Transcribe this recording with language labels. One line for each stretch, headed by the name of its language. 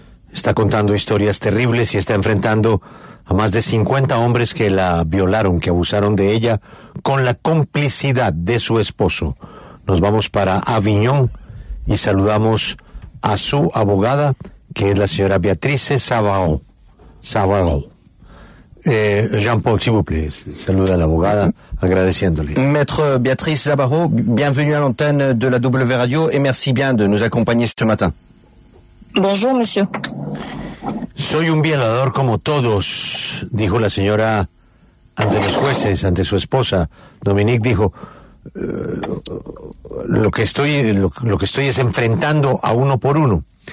Spanish: Está contando historias terribles y está enfrentando a más de 50 hombres que la violaron, que abusaron de ella, con la complicidad de su esposo. Nos vamos para Aviñón y saludamos a su abogada, que es la señora Beatriz Savarro.
French: Jean-Paul, s'il vous plaît, salute à l'avocate,
Spanish: agradeciéndole.
French: Maître Beatrice Zabarro, bienvenue à l'antenne de la W Radio et merci bien de nous accompagner ce matin. Bonjour, monsieur.
Spanish: Soy un violador como todos, dijo la señora ante los jueces, ante su esposa. Dominique dijo, lo que estoy es enfrentando a uno por uno.